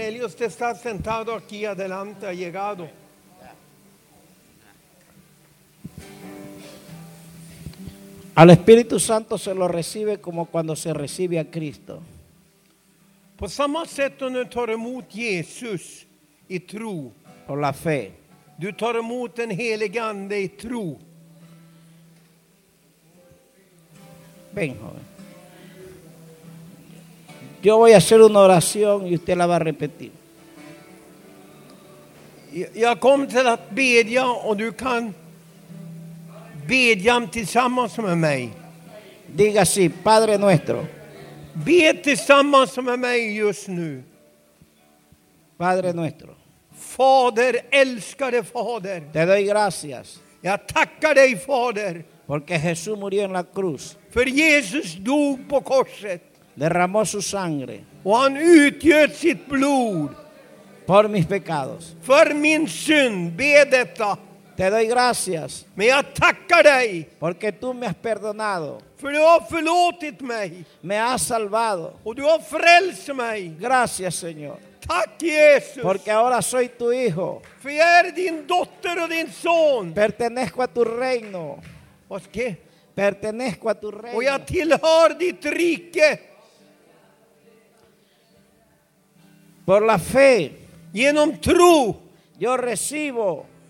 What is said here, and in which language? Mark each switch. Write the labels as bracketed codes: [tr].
[es] Elios está sentado aquí adelante, ha llegado. Al Espíritu Santo se lo recibe como cuando se recibe a Cristo. [sv] På samma sätt som du tar emot Jesus i tro. [es] Por la fe. [sv] Du tar emot den helige ande i tro. [es] Ven, joven. Yo voy a hacer una oración y usted la va a repetir. [sv] Jag kommer till att bedja och du kan... Bedjan tillsammans med mig. [es] Diga así, Padre nuestro. [sv] Be tillsammans med mig just nu. [es] Padre nuestro. [sv] Fader, älskade Fader. [es] Te doy gracias. [sv] Jag tackar dig, Fader. [es] Porque Jesús murió en la cruz. [sv] För Jesus dog på korset. [es] Derramó su sangre. [sv] Och han utgöt sitt blod. [es] Por mis pecados. [sv] För min synd. Be detta. [es] Te doy gracias. Me atacar ahí. Porque tú me has perdonado. [sv] För du har förlåtit mig. [es] Me has salvado. [sv] Och du har frälst mig. [es] Gracias, Señor. [sv] Tack, Jesus. [es] Porque ahora soy tu hijo. [sv] För jag är din dotter och din son. [es] Pertenezco a tu reino. [sv] Och [es] qué? Pertenezco a tu reino. [sv] Och jag tillhör ditt rike. [es] Por la fe. [sv] Genom tro. [es] Yo recibo.